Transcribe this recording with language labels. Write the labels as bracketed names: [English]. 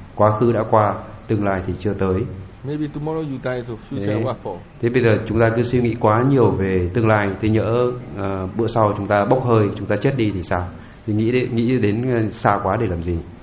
[Vietnamese] Quá khứ đã qua, tương lai thì chưa tới. [English] Maybe tomorrow you die, the future what for? [Vietnamese] Thế bây giờ chúng ta cứ suy nghĩ quá nhiều về tương lai, thì nhỡ bữa sau chúng ta bốc hơi, chúng ta chết đi thì sao? Thì nghĩ đến xa quá để làm gì?